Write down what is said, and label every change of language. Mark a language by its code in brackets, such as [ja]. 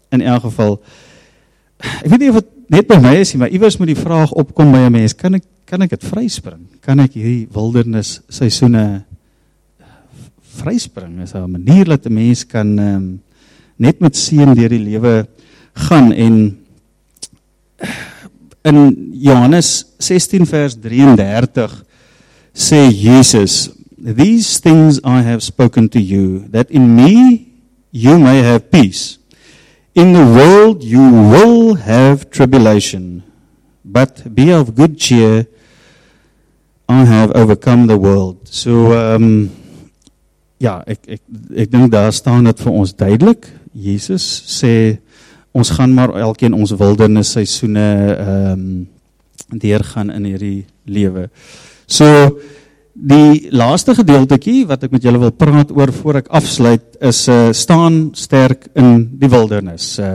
[af] In elk geval, ek weet nie of het net by my is, maar iewers moet die vraag opkom by 'n mens, kan ek het vryspring? Kan ek hierdie wildernis seisoene vryspring? Is daar 'n manier dat 'n mens kan net met seën deur die lewe gaan? En in Johannes 16 vers 33 sê Jesus, [en] "These things I have spoken to you, that in me you may have peace. In the world you will have tribulation, but be of good cheer, I have overcome the world." [af] So, ja, ek dink daar staan dit vir ons duidelik. Jesus sê, ons gaan maar elkeen ons wildernis seisoene deurgaan in hierdie lewe. So, Die laaste gedeeltekie wat ek met julle wil praat oor voor ek afsluit is staan sterk in die wildernis.